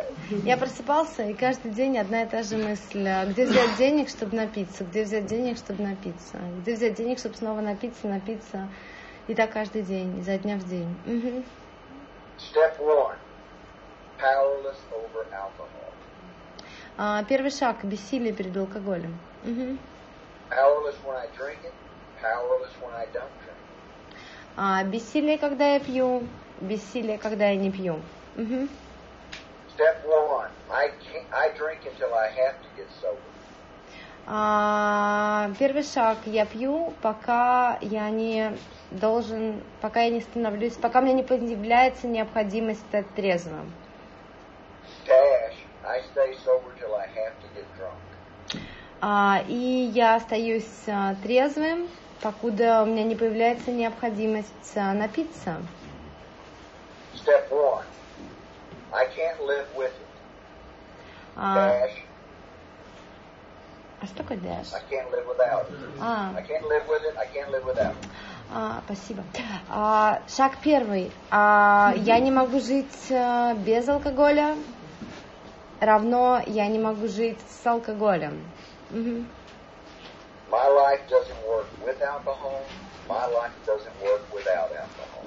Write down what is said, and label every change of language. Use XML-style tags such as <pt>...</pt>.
<ru>Я просыпался, и каждый день одна и та же мысль. Где взять денег, чтобы напиться? Где взять денег, чтобы напиться? Где взять денег, чтобы снова напиться, напиться? И так каждый день, изо дня в день.</ru> <en>Step one. Powerless over alcohol.</en> <ru>Первый шаг. Бессилие перед алкоголем.</ru> <en>Powerless when I drink it, powerless when I don't drink.</en> <ru>Бессилие, когда я пью, бессилие, когда я не пью.</ru> <en>Step one. I drink until I have to get sober.</en> <ru>Первый шаг. Я пью, пока мне не появляется необходимость стать трезвым.</ru> <en>Stash. I stay sober till I have to get drunk.</en> <ru>И я остаюсь трезвым, покуда у меня не появляется необходимость напиться.</ru> <en>Step one. I can't live with it. Dash.</en> <ru>А что такое dash?</ru> <en>I can't live without it. I can't live with it. I can't live without it.</en> <ru>Спасибо. Шаг первый. Я не могу жить без алкоголя. Равно я не могу жить с алкоголем.</ru> <en>My life doesn't work with alcohol. My life doesn't work without alcohol.</en>